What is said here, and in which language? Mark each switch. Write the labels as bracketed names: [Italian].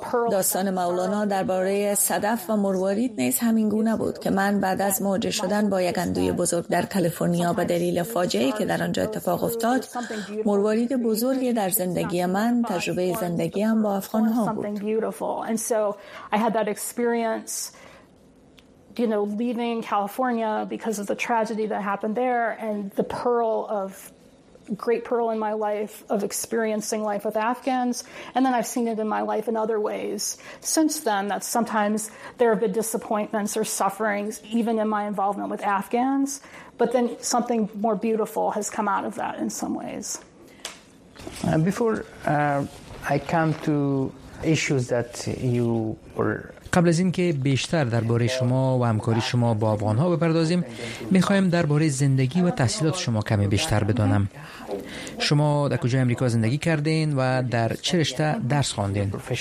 [Persian] داستان مولانا درباره صدف و مروارید نیز همین گونه بود که من بعد از مواجه شدن با یک اندوی بزرگ در کالیفرنیا به دلیل فاجعه‌ای که در آنجا اتفاق افتاد، مروارید بزرگی در زندگی من، تجربه زندگی هم با افغان‌ها بود. [English] Great pearl in my life of experiencing life with Afghans, and then I've seen it in my life in other ways since then, that sometimes there have been disappointments or sufferings even in my involvement with Afghans, but then something more beautiful has come out of that in some ways. Before I come to issues that you were [Persian] قبل از اینکه بیشتر درباره شما و همکاری شما با افغان‌ها بپردازیم، می‌خوایم درباره زندگی و تحصیلات شما کمی بیشتر بدانم. شما در کجای آمریکا زندگی کردین و در چه رشته درس خواندین؟